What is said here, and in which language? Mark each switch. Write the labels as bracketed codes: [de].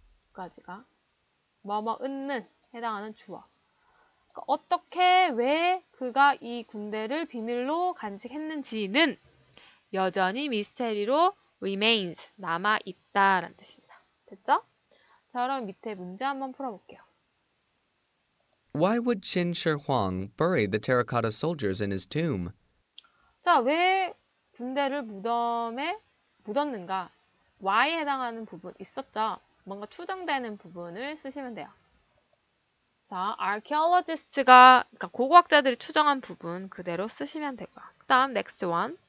[ko] 요까지가 뭐뭐은는 해당하는 주어. 어떻게, 왜 그가 이 군대를 비밀로 간직했는지는 여전히 미스테리로 remains, 남아있다라는 뜻입니다. 됐죠? 자, 그럼 밑에 문제 한번 풀어볼게요. [en] Why would Qin Shi Huang bury the terracotta soldiers in his tomb? [ko] 자, 왜 군대를 무덤에 묻었는가? Why에 해당하는 부분, 있었죠? 뭔가 추정되는 부분을 쓰시면 돼요. 자, archaeologists가, 그러니까 고고학자들이 추정한 부분 그대로 쓰시면 되고요. 그다음 [en] next one.